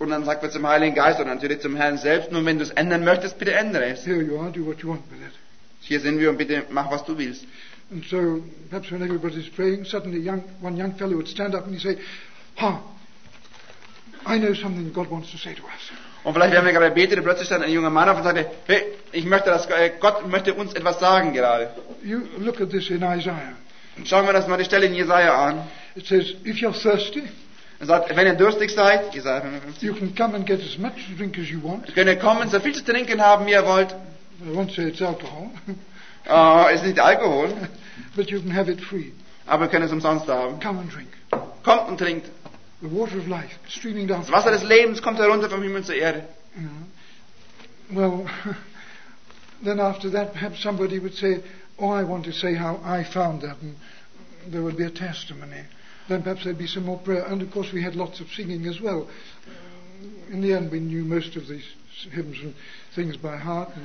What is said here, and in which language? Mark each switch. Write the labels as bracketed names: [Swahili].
[German] Und dann sagt man zum Heiligen Geist und natürlich zum Herrn selbst, nun, wenn du es ändern möchtest, bitte ändere es. [English] Here you are, do what you want with it. [German] Hier sind wir und bitte mach, was du willst. [English] And so, perhaps when everybody's praying, suddenly one young fellow would stand up and he'd say, ha, I know something God wants to say to us. [German] Und vielleicht werden wir gerade beten, und plötzlich stand ein junger Mann auf und sagte, hey, ich möchte, dass Gott möchte uns etwas sagen gerade. [English] You look at this in Isaiah. [German] Schauen wir das mal die Stelle in Jesaja an. [English] It says, if you're thirsty, [German] er sagt, wenn ihr durstig seid, Jesaja [English] 55, you can come and get as much drink as you want. [German] Könnt ihr kommen, so viel zu trinken haben, wie ihr wollt. [English] I won't say it's alcohol. [German] Es ist nicht Alkohol. [English] But you can have it free. [German] Aber ihr könnt es umsonst haben. [English] Come and drink. [German] Kommt und trinkt. [English] The water of life streaming down. [German] Das Wasser des Lebens kommt herunter vom Himmel zur Erde. [English] Yeah. Well, then after that, perhaps somebody would say, "Oh, I want to say how I found that," and there would be a testimony. Then perhaps there'd be some more prayer, and of course we had lots of singing as well. In the end, we knew most of these hymns and things by heart.